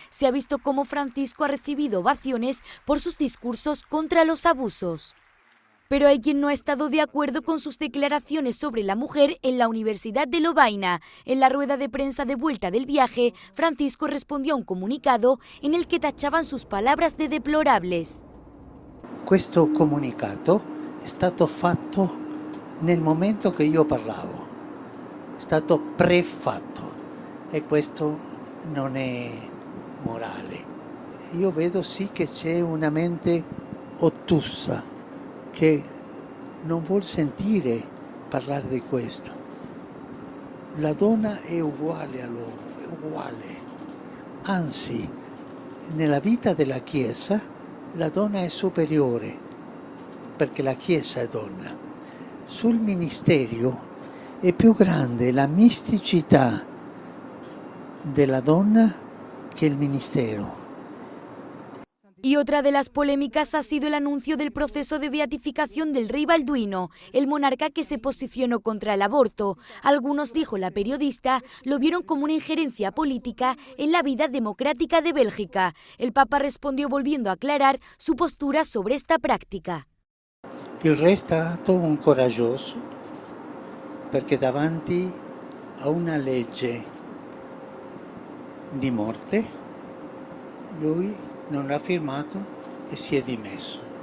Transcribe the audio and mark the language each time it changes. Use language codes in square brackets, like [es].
[es] Se ha visto cómo Francisco ha recibido ovaciones por sus discursos contra los abusos. Pero hay quien no ha estado de acuerdo con sus declaraciones sobre la mujer en la Universidad de Lovaina. En la rueda de prensa de vuelta del viaje, Francisco respondió a un comunicado en el que tachaban sus palabras de deplorables. Este comunicado [it] è stato fatto nel momento che io parlavo, è stato prefatto e questo non è morale. Io vedo sì che c'è una mente ottusa che non vuol sentire parlare di questo. La donna è uguale all'uomo, è uguale. Anzi, nella vita della Chiesa la donna è superiore. Perché la Chiesa è donna. Sul ministerio è più grande la misticità della donna che il ministero. [es] Y otra de las polémicas ha sido el anuncio del proceso de beatificación del rey Balduino, el monarca que se posicionó contra el aborto. Algunos, dijo la periodista, lo vieron como una injerencia política en la vida democrática de Bélgica. El Papa respondió volviendo a aclarar su postura sobre esta práctica. [it] Il re è stato un coraggioso perché davanti a una legge di morte lui non l'ha firmato e si è dimesso.